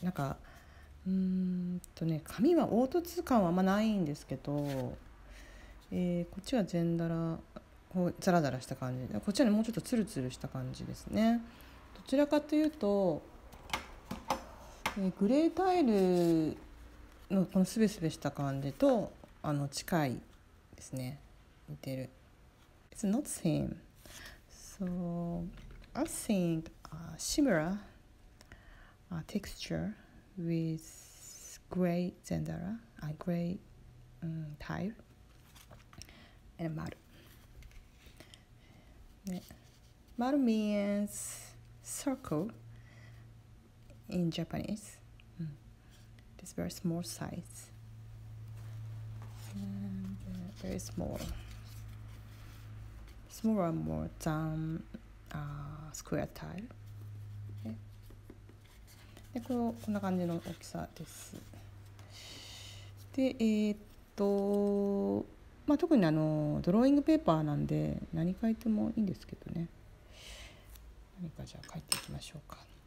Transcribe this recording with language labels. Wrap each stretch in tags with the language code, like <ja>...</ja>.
<ja>なんか紙は凹凸感はあんまないんですけど、こっちは全だらこうザラザラした感じで、こっちはねもうちょっとツルツルした感じですね。どちらかというと、グレータイルのこのスベスベした感じと近いですね。似てる。</ja> <en>It's not the same. So I think similar texture with gray zendara, a gray tile and maru. Maru means circle in Japanese. It's very small size. Very small. Smaller and more than square tile.</en> <ja>でこんな感じの大きさです。で、特にドローイングペーパーなんで何書いてもいいんですけどね。何かじゃあ書いていきましょうか。</ja>